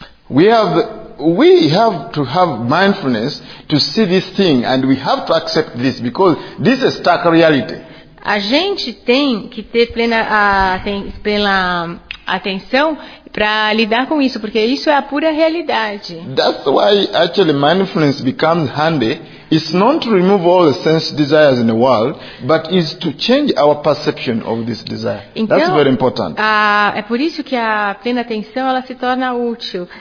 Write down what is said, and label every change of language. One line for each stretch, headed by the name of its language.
English: We have to have mindfulness to see this thing and we have to accept this because this is stark reality.
Portuguese: A gente tem que ter plena atenção para lidar com isso, porque isso é a pura realidade.
English: That's why actually mindfulness becomes handy. It's not to remove all the sense desires in the world, but is to change our perception of this desire.
Portuguese: Então,
English: that's very important.
Portuguese: É por isso que a plena atenção ela se torna útil.